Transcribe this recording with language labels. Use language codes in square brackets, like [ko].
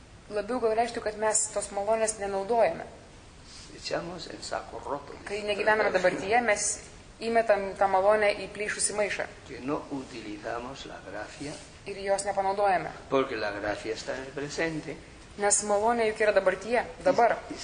[lt] Labiau gal reiškia, kad mes tos malonės nenaudojame. [es] Echamos en saco roto. [lt] Kai negyvename dabartyje, mes įmetam tą malonę į plyšusį maišą. [es] Que no utilizamos la gracia. [lt] Ir jos nepanaudojame. [es] Porque la gracia está en el presente. [lt] Nes malonė juk yra dabartyje, dabar.